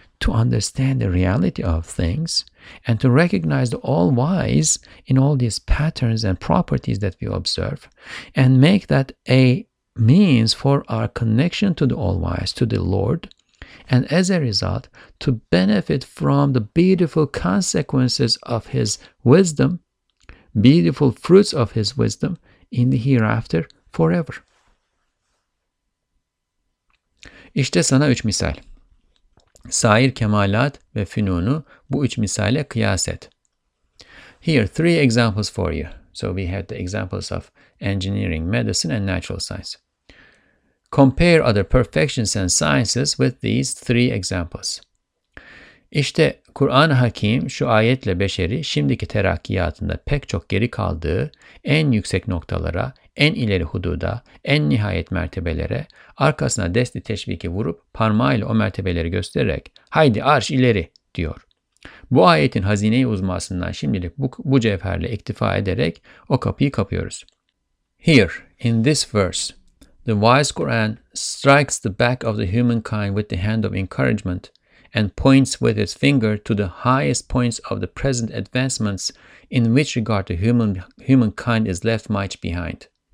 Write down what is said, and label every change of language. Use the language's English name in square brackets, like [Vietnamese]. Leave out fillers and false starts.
[English] to understand the reality of things and to recognize the all-wise in all these patterns and properties that we observe, and make that a means for our connection to the all-wise, to the Lord, and as a result, to benefit from the beautiful consequences of His wisdom, beautiful fruits of His wisdom in the hereafter forever. [Turkish] İşte sana üç misal. Sair kemalat ve fünunu bu üç misale kıyas et. [English] Here, three examples for you. So we had the examples of engineering, medicine and natural science. Compare other perfections and sciences with these three examples. [Turkish] İşte Kur'an-ı Hakim şu ayetle beşeri şimdiki terakkiyatında pek çok geri kaldığı en yüksek noktalara, en ileri hududa, en nihayet mertebelere, arkasına desti teşviki vurup parmağıyla o mertebeleri göstererek haydi arş ileri diyor. Bu ayetin hazine-i uzmasından şimdilik bu cevherle iktifa ederek o kapıyı kapıyoruz. [English] Here, in this verse, the wise Quran strikes the back of the humankind with the hand of encouragement and points with its finger to the highest points of the present advancements in which regard the humankind is left much behind.